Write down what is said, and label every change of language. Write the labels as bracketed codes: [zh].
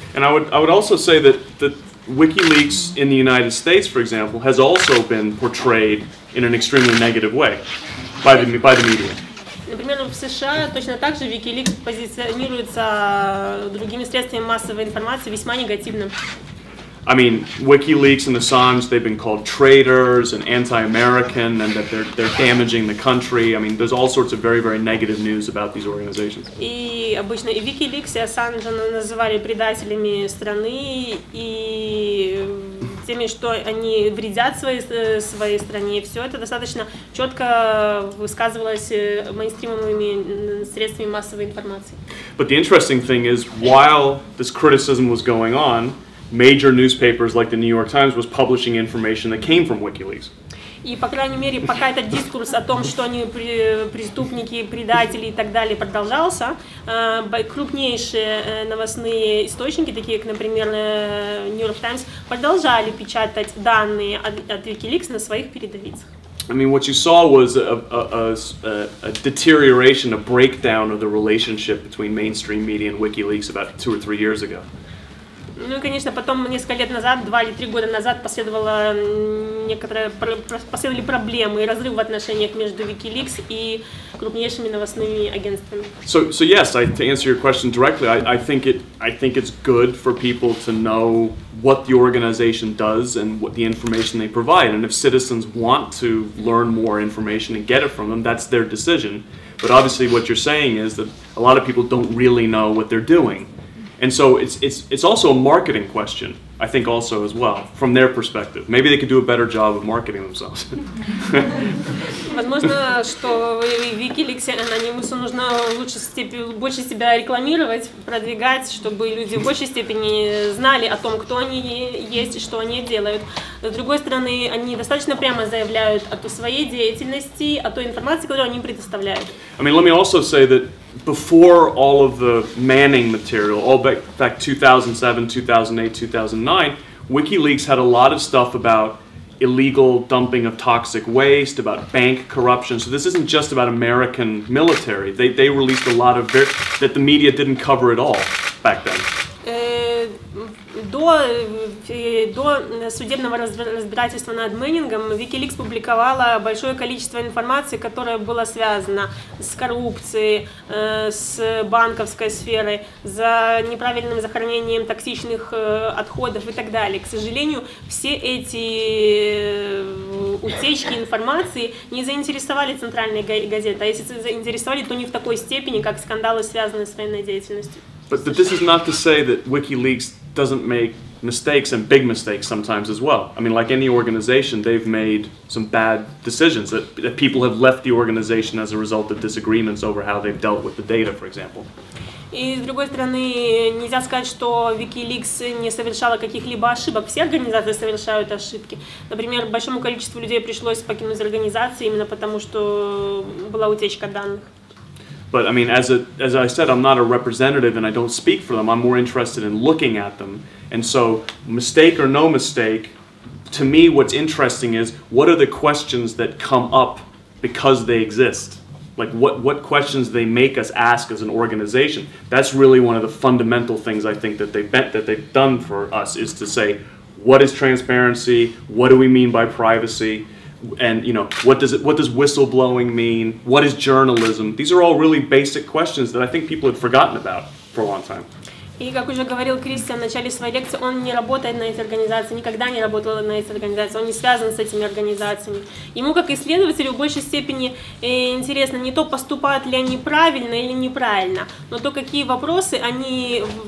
[en] And I would also say that WikiLeaks in the United States, for example, has also been portrayed in an extremely negative way by the media. [ru] Например, в США точно так же WikiLeaks позиционируется другими средствами массовой информации весьма негативно. [en] I mean, WikiLeaks and Assange, they've been called traitors and anti-American and that they're damaging the country. I mean, there's all sorts of very, very negative news about these organizations. [ru] И обычно и WikiLeaks, и Assange называли предателями страны и теми, что они вредят своей стране. И все это достаточно четко высказывалось мейнстримовыми средствами массовой информации. [en] But the interesting thing is, while this criticism was going on, major newspapers like the New York Times was publishing information that came from WikiLeaks. [ru] И по крайней мере, пока этот дискурс о том, что они преступники, предатели и так далее, продолжался, крупнейшие новостные источники, такие как, например, New York Times, продолжали печатать данные от WikiLeaks на своих передовицах. [en] I mean, what you saw was a deterioration, a breakdown of the relationship between mainstream media and WikiLeaks about 2 or 3 years ago. [ru] Ну и, конечно, потом несколько лет назад, 2 или 3 года назад, последовали проблемы и разрыв в отношениях между WikiLeaks и крупнейшими новостными агентствами. [en] So yes, to answer your question directly, I think it's good for people to know what the organization does and what the information they provide. And if citizens want to learn more information and get it from them, that's their decision. But obviously what you're saying is that a lot of people don't really know what they're doing. And so it's also a marketing question, I think, also as well, from their perspective. Maybe they could do a better job of marketing themselves. [ru] Возможно, что WikiLeaks, анонимусу нужно лучше больше себя рекламировать, продвигать, чтобы люди в большей степени знали о том, кто они есть, что они делают. С другой стороны, они достаточно прямо заявляют о своей деятельности, о той информации, которую они предоставляют. [en] I mean, let me also say that before all of the Manning material, all back 2007, 2008, 2009, WikiLeaks had a lot of stuff about illegal dumping of toxic waste, about bank corruption. So this isn't just about American military. They released a lot of that the media didn't cover at all back then. [ru] До судебного разбирательства над Мэннингом WikiLeaks публиковала большое количество информации, которая была связана с коррупцией, с банковской сферой, за неправильным захоронением токсичных отходов и так далее. К сожалению, все эти утечки информации не заинтересовали центральные газеты, а если заинтересовали, то не в такой степени, как скандалы, связанные с военной деятельностью. [en] But this is not to say that WikiLeaks doesn't make mistakes and big mistakes sometimes as well. I mean, like any organization, they've made some bad decisions that people have left the organization as a result of disagreements over how they've dealt with the data, for example. [ru] И с другой стороны, нельзя сказать, что WikiLeaks не совершала каких-либо ошибок. Все организации совершают ошибки. Например, большому количеству людей пришлось покинуть организацию именно потому, что была утечка данных. [en] But I mean, as I said, I'm not a representative and I don't speak for them. I'm more interested in looking at them. And so, mistake or no mistake, to me what's interesting is, what are the questions that come up because they exist? Like, what questions they make us ask as an organization? That's really one of the fundamental things I think that they've done for us, is to say, what is transparency? What do we mean by privacy? And you know, what does whistleblowing mean? What is journalism? These are all really basic questions that I think people had forgotten about for a long time. [ru] И как уже говорил Кристиан в начале своей лекции, он не работает на этой организации, никогда не работал на этой организации, он не связан с этими организациями. Ему, как исследователю, в большей степени интересно не то, поступают ли они правильно или неправильно, но то, какие вопросы они